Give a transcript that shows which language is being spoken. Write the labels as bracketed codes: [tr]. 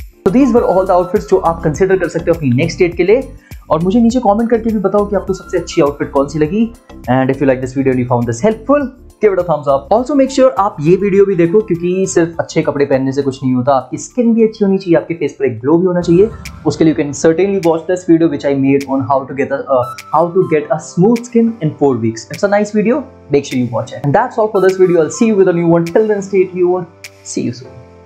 [hi] These were all the outfits जो आप consider कर सकते हो अपनी next date के लिए. और मुझे नीचे comment करके भी बताओ कि आपको सबसे अच्छी outfit कौन सी लगी. [en] And if you like this video and you found this helpful, give it a thumbs up. [hi] Also make sure आप ये video भी देखो, क्योंकि सिर्फ अच्छे कपड़े पहनने से कुछ नहीं होता. आपकी skin भी अच्छी होनी चाहिए, आपके face पर एक glow भी होना चाहिए. [en] उसके लिए you can certainly watch this video which I made on how to get a smooth skin in 4 weeks. It's a nice video. Make sure you watch it. And that's all for this video. I'll see you with a new one. Till then, stay tuned. See you soon.